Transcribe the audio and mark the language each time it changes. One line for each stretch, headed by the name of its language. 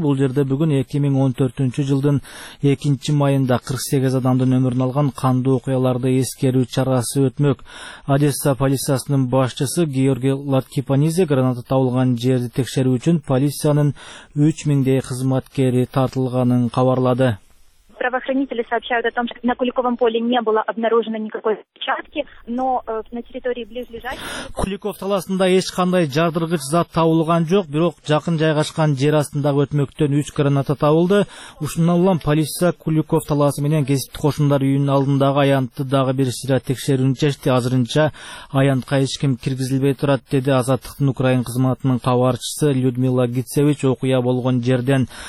Kyrgyz: Бул жерде бүгүн 2014-жылдын 2-майында 48 адамдын өмүрүн алган кандуу окуяларды эскерүү чарасы өтмөк. Одесса полициясынын башчысы Георгий Латкипанизе граната табылган жерди текшерүү үчүн полициянын 3000 кызматкери тартылганын кабарлады.
Russian: Правоохранители сообщают о том, что на Куликовом поле не было обнаружено никакой взрывчатки, но на территории близлежащей
Kyrgyz: Куликов талаасында эч кандай жардыргыч зат табылган жок, бирок жакын жайгашкан жер астындагы өтмөктөн 3 граната табылды. Ушундан улам полиция Куликов талаасы менен кесиптик кошундар үйүнүн алдындагы аянтты дагы бир сыйра текшерүүнү чечти. Азырынча аянтка эч ким киргизилбей турат, деди Азаттыктын Украин кызматынын кабарчысы Людмила Гицевич окуя болгон жерден.